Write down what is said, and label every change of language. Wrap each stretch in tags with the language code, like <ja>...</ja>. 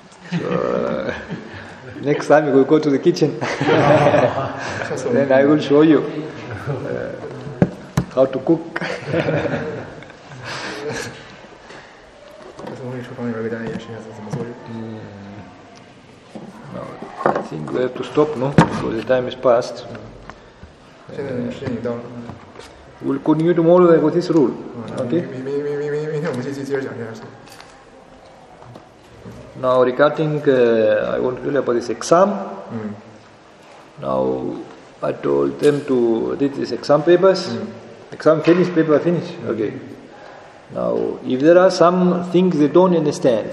<en>So, next time we'll go to the kitchen. Then I will show you how to cook.</en> <zh>厨房有一个单也是怎么做。</zh> <en>I think we have to stop, no? So the time is past.</en> <zh>现在已经到了。</zh> <en>We'll continue tomorrow with this rule. Okay.</en> <zh>明天我们继续接着讲这件事。</zh> <en>Now regarding, I want to tell you about this exam. Mm. Now I told them to did these exam papers. Mm. Exam finished, paper finished. Mm. Okay. Now if there are some things they don't understand,</en>